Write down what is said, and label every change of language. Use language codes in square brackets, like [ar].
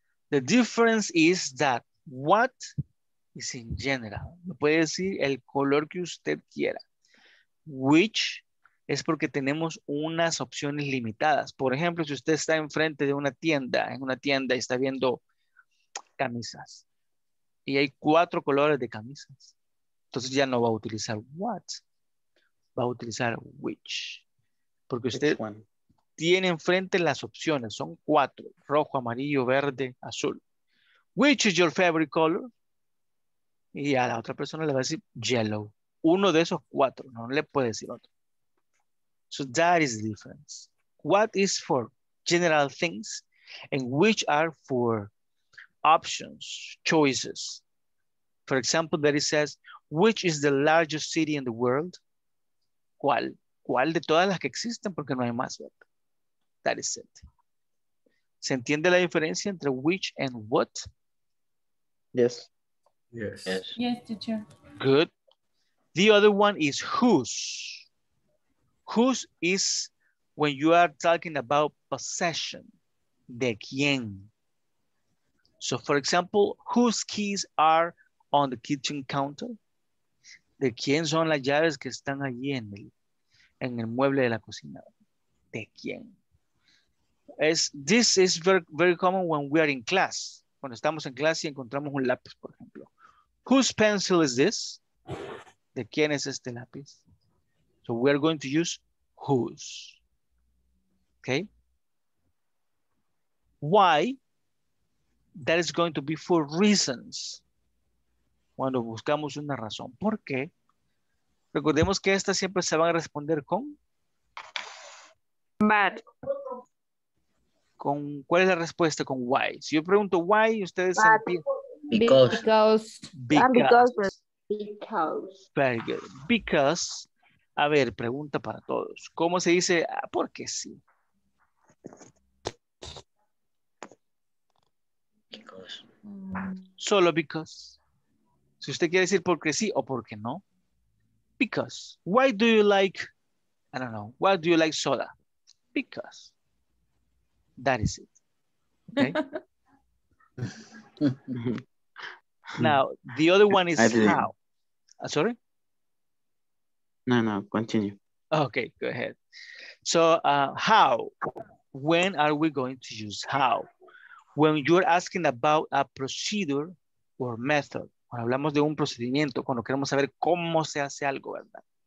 [en] The difference is that what is in general. [es] Me puede decir el color que usted quiera. Which es porque tenemos unas opciones limitadas. Por ejemplo, si usted está enfrente de una tienda, en una tienda y está viendo camisas. Y hay cuatro colores de camisas. Entonces ya no va a utilizar what. Va a utilizar which. Porque usted... [en] Which one? [es] Tiene enfrente las opciones, son cuatro, rojo, amarillo, verde, azul. [en] Which is your favorite color? [es] Y a la otra persona le va a decir yellow. Uno de esos cuatro, no le puede decir otro. [en] So that is the difference. What is for general things and which are for options, choices. For example, that it says, which is the largest city in the world? [es] ¿Cuál? ¿Cuál de todas las que existen? Porque no hay más, ¿verdad? [en] That is it. [es] ¿Se entiende la diferencia entre which and what? [en] Yes. Yes. Yes. Yes, teacher. Good. The other one is whose. Whose is when you are talking about possession. [es] ¿De quién? [en] So, for example, whose keys are on the kitchen counter? [es] ¿De quién son las llaves que están allí en el mueble de la cocina? ¿De quién? [en] Es, this is very, very common when we are in class. [es] Cuando estamos en clase y encontramos un lápiz, por ejemplo. [en] Whose pencil is this? [es] ¿De quién es este lápiz? [en] So we are going to use whose. Okay. Why? That is going to be for reasons. [es] Cuando buscamos una razón. ¿Por qué? Recordemos que estas siempre se van a responder con. [en] But. [es] Con, ¿cuál es la respuesta con why? Si yo pregunto why, ustedes [en] but, because. Because. Very good. Because [es] A ver, pregunta para todos. ¿Cómo se dice? ¿Por qué sí? [en] Because. [es] Solo because. Si usted quiere decir porque sí o porque no. [en] Because. Why do you like, I don't know, why do you like soda? Because. That is it. Okay? Now, the other one is how. Sorry? No, no, continue. Okay, go ahead. So, how? When are we going to use how? When you're asking about a procedure or method. [es] Cuando hablamos de un procedimiento, cuando queremos saber cómo se hace algo, ¿verdad?